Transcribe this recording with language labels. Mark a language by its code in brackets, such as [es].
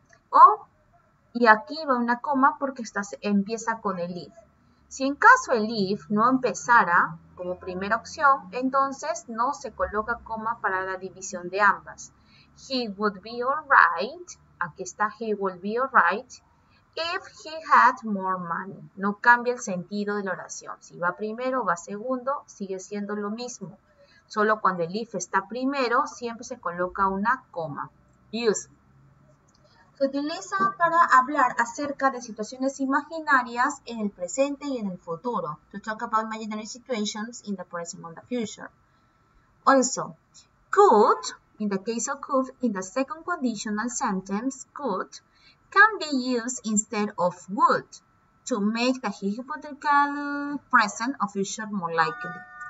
[es] O, y aquí va una coma porque empieza con el if. Si en caso el if no empezara como primera opción, entonces no se coloca coma para la división de ambas. [en] He would be all right, [es] aquí está [en] he would be all right, if he had more money. [es] No cambia el sentido de la oración. Si va primero, va segundo, sigue siendo lo mismo. Solo cuando el if está primero, siempre se coloca una coma. Use. Se utiliza para hablar acerca de situaciones imaginarias en el presente y en el futuro. [en] To talk about imaginary situations in the present and the future. Also, could, in the case of could, in the second conditional sentence, could, can be used instead of would to make the hypothetical present or future more likely.